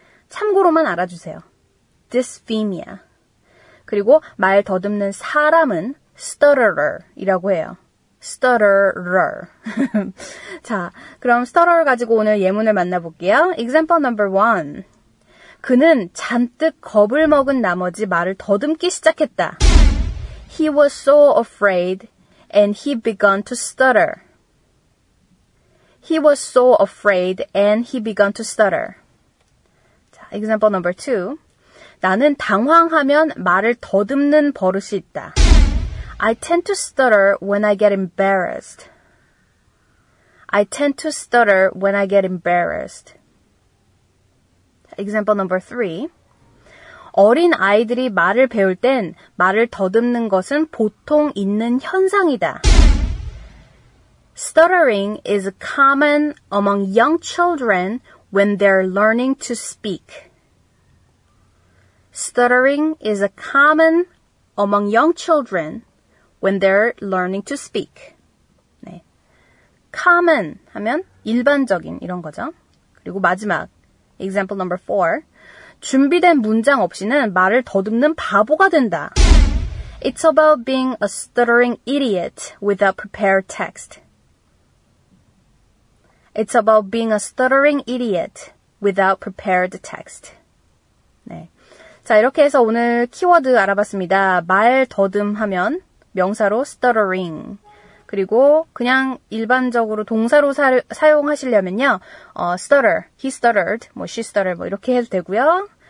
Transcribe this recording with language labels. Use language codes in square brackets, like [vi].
[ko] 참고로만 알아주세요. dysphemia. 그리고 말 더듬는 사람은 stutterer이라고 해요. stutterer. 자, 그럼 stutterer 가지고 오늘 예문을 만나볼게요. [en] Example number one. [ko] 그는 잔뜩 겁을 먹은 나머지 말을 더듬기 시작했다. [en] He was so afraid and he began to stutter. He was so afraid and he began to stutter. 자, example number two. [ko] 나는 당황하면 말을 더듬는 버릇이 있다. [en] I tend to stutter when I get embarrassed. I tend to stutter when I get embarrassed. Example number three. [ko] 어린 아이들이 말을 배울 땐 말을 더듬는 것은 보통 있는 현상이다. [en] Stuttering is common among young children when they're learning to speak. Stuttering is common among young children when they're learning to speak. 네. [ko] common 하면 일반적인 이런 거죠. 그리고 마지막 [en] example number 4. [ko] 준비된 문장 없이는 말을 더듬는 바보가 된다. [en] It's about being a stuttering idiot without prepared text. It's about being a stuttering idiot without prepared text. [ko] 네. 자, 이렇게 해서 오늘 키워드 알아봤습니다. 말 더듬 하면 명사로 stuttering. 그리고 그냥 일반적으로 동사로 사용하시려면요. [en] stutter, he stuttered, [ko] 뭐 [en] she stuttered [ko] 뭐 이렇게 해도 되고요.